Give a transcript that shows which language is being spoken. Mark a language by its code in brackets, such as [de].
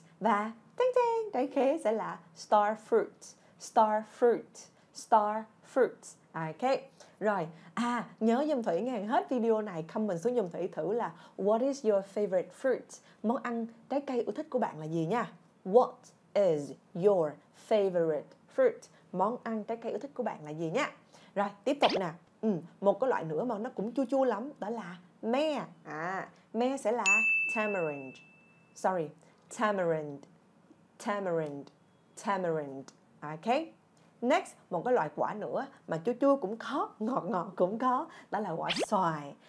[vi] Và ting ting, trái khế sẽ là star fruit. [en] Star fruit, star fruit. Ok, rồi. [vi] À, nhớ giùm Thủy nghe hết video này, comment xuống giùm Thủy thử là [en] what is your favorite fruit? [vi] Món ăn trái cây yêu thích của bạn là gì nha? [en] What is your favorite fruit? [vi] Món ăn trái cây yêu thích của bạn là gì nha? Rồi, tiếp tục nè. Một cái loại nữa mà nó cũng chua chua lắm, đó là me. À, me sẽ là [en] tamarind. Sorry, tamarind. Tamarind. Tamarind. Ok. [vi] Next, một cái loại quả nữa mà chua chua cũng có, ngọt ngọt cũng có, đó là quả xoài.